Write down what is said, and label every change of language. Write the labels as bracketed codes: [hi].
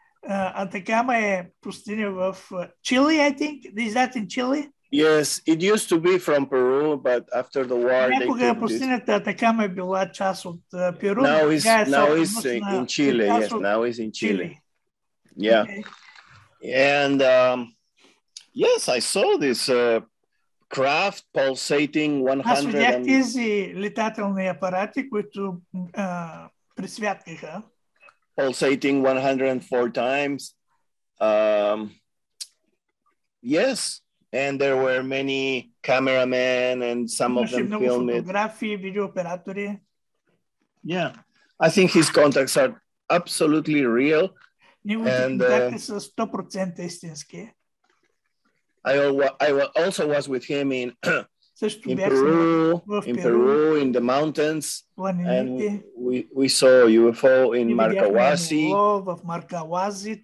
[bg] Atacama е пустиня в Chile, [en] I think. Is that in Chile? Yes, it used to be from Peru, but after the war they took this. [bg] Пустинята Атакама е била част от Перу. [en] Now it's in Chile. Yes, now it's in Chile. Yeah. Okay. And yes, I saw this craft pulsating 100. [bg] Аз видях тези летателни апарати, които пресвяткаха. [en] Pulsating 104 times. Yes, and there were many cameramen and some of them filmed it. [bg] Фотографи, видеооператори. [en] Yeah, I think his contacts are absolutely real. [bg] Неговите контакти са 100% истински. [en] I also was with him in Peru, in the mountains, and we saw UFO in Marcahuasi.